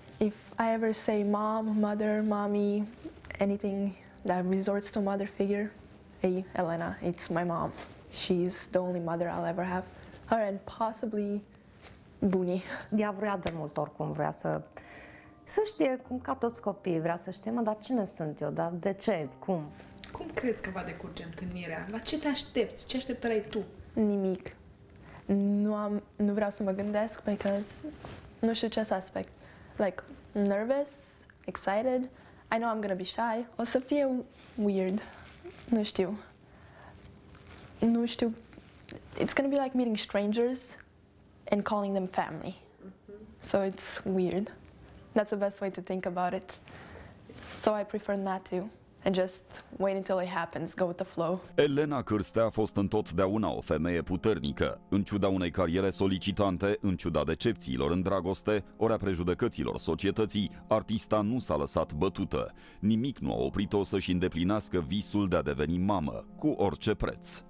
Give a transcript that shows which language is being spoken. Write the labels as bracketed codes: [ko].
[en] If I ever say mom, mother, mommy, anything that resorts to mother figure, hey, Elena, it's my mom. She's the only mother I'll ever have. Her and possibly bunii. [ro] Ea vrea de mult oricum, vrea să știe cum ca toți copiii, vrea să știe, mă, dar cine sunt eu, dar de ce, cum? Cum crezi că va decurge întâlnirea? La ce te aștepți? Ce așteptare ai tu? Nimic. Nu vreau să mă gândesc, because nu știu ce aspect. [en] Like, nervous, excited, I know I'm gonna be shy. [ro] O să fie weird, nu știu. Nu știu, [en] it's gonna be like meeting strangers and calling them family. So it's weird. That's the best way to think about it. So I prefer not to. And just wait until it happens, go with the flow. [ro] Elena Cârstea a fost întotdeauna o femeie puternică. În ciuda unei cariere solicitante, în ciuda decepțiilor în dragoste, ori a prejudecăților societății, artista nu s-a lăsat bătută. Nimic nu a oprit-o să-și îndeplinească visul de a deveni mamă, cu orice preț.